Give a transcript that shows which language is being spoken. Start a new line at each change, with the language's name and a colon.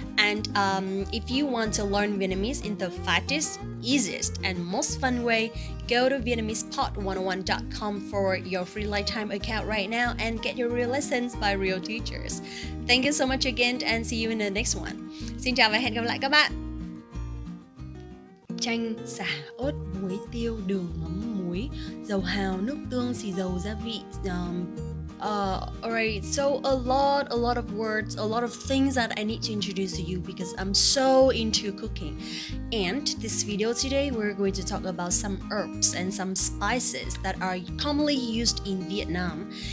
English: And if you want to learn Vietnamese in the fastest, easiest and most fun way, go to VietnamesePod101.com for your free lifetime account right now and get your real lessons by real teachers. Thank you so much again and see you in the next one.
Vietnamese: Xin chào và hẹn gặp lại các bạn. Chanh, xả, ớt, muối, tiêu, đường, mắm, muối, dầu hào, nước tương, xì dầu, gia vị.
English: Alright, so a lot of words, a lot of things that I need to introduce to you because I'm so into cooking. And this video today, we're going to talk about some herbs and some spices that are commonly used in Vietnam.